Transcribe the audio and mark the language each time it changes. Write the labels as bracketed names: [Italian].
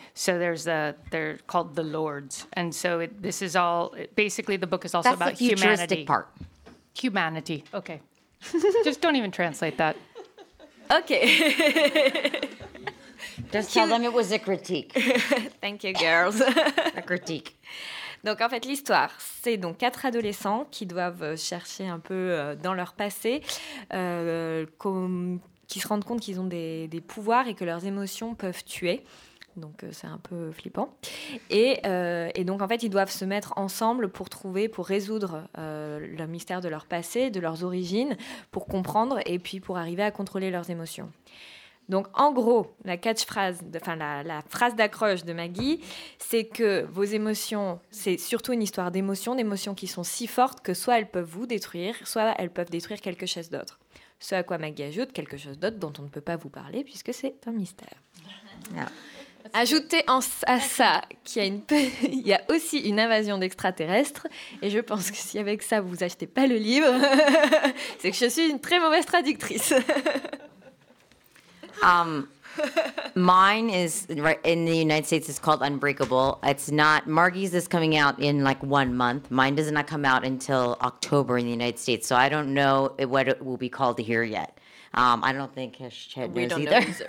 [English] So they're called the Lords. And so the book is also about That's the futuristic part. Humanity. Okay. Just don't even translate that. Okay. Just tell them it was a critique. Thank you, girls. A critique. [French] Donc en fait l'histoire, c'est donc quatre adolescents qui doivent chercher un peu dans leur passé, qui se rendent compte qu'ils ont des pouvoirs et que leurs émotions peuvent tuer. Donc c'est un peu flippant. Et donc en fait ils doivent se mettre ensemble pour résoudre le mystère de leur passé, de leurs origines, pour comprendre et puis pour arriver à contrôler leurs émotions. Donc, en gros, la phrase d'accroche de Maggie, c'est que vos émotions, c'est surtout une histoire d'émotions, d'émotions qui sont si fortes que soit elles peuvent vous détruire, soit elles peuvent détruire quelque chose d'autre. Ce à quoi Maggie ajoute quelque chose d'autre dont on ne peut pas vous parler puisque c'est un mystère. Alors, ajoutez à ça qu'il y a, il y a aussi une invasion d'extraterrestres et je pense que si avec ça vous achetez pas le livre, c'est que je suis une très mauvaise traductrice. [English] Mine is in the United States. It's called Unbreakable. It's not. Margie's is coming out in like 1 month. Mine does not come out until October in the United States. So I don't know what it will be called here yet. I don't think Hesh-Chad knows either.